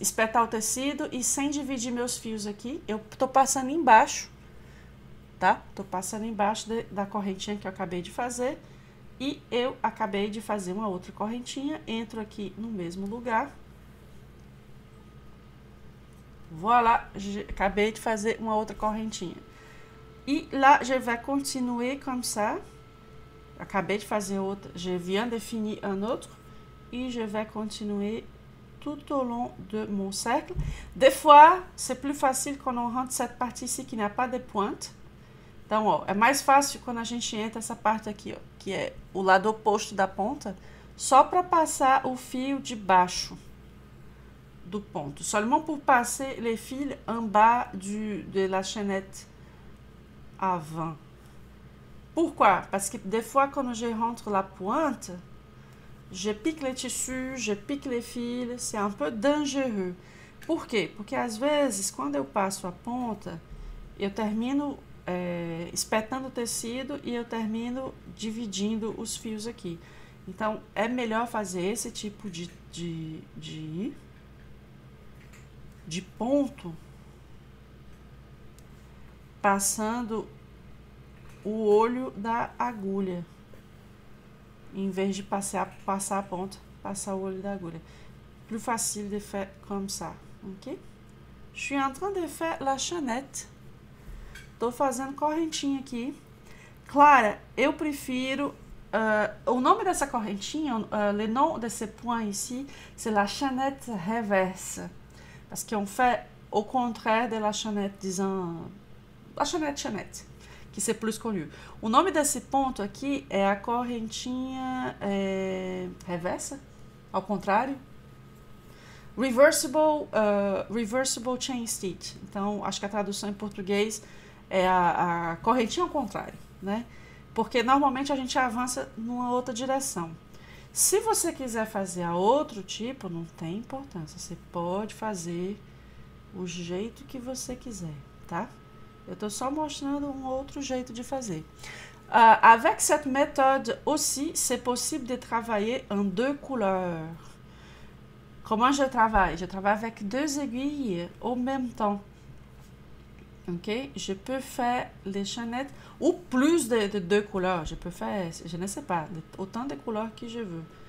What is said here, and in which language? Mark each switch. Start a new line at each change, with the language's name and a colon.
Portuguese: Espetar o tecido e sem dividir meus fios aqui. Eu tô passando embaixo, tá? Tô passando embaixo da correntinha que eu acabei de fazer. E eu acabei de fazer uma outra correntinha. Entro aqui no mesmo lugar. Voilà, acabei de fazer uma outra correntinha.
French: E lá, je vais continuer comme ça.
Portuguese: Acabei de fazer outra.
French: Je viens de finir un autre. E je vais continuer tout au long de mon cercle. Des fois, c'est plus facile quand on rentre cette partie-ci qui n'a pas de pointe.
Portuguese: Então, ó, é mais fácil quando a gente entra essa parte aqui, ó, que é o lado oposto da ponta, só para passar o fio de baixo do ponto.
French: Seulement pour passer les fils en bas de la chaînette avant. Pourquoi? Parce que des fois, quand je rentre la pointe, je pique les tissus, je pique les fils, c'est un peu dangereux.
Portuguese: Por quê? Porque às vezes, quando eu passo a ponta, eu termino espetando o tecido e eu termino dividindo os fios aqui. Então, é melhor fazer esse tipo de ponto, passando o olho da agulha. Em vez de passar a ponta, passar o olho da agulha.
French: Plus facile de faire comme ça, ok? Je suis en train de faire la chaînette.
Portuguese: Tô fazendo correntinha aqui. Clara, eu prefiro. O nome dessa correntinha,
French: le nom de ce point ici, c'est la chaînette reverse. Parce qu'on fait au contraire de la chaînette, disons. La chaînette, que c'est plus connu.
Portuguese: O nome desse ponto aqui é a correntinha reversa, ao contrário.
English: Reversible chain stitch.
Portuguese: Então, acho que a tradução em português é a correntinha ao contrário, né? Porque normalmente a gente avança numa outra direção. Se você quiser fazer a outro tipo, não tem importância. Você pode fazer o jeito que você quiser, tá? Eu estou só mostrando um outro jeito de fazer.
French: Avec cette méthode aussi, c'est possible de travailler en deux couleurs. Comment je travaille? Je travaille avec deux aiguilles au même temps. Ok? Je peux faire les chaînettes ou plus de deux couleurs. Je peux faire, je ne sais pas, autant de couleurs que je veux.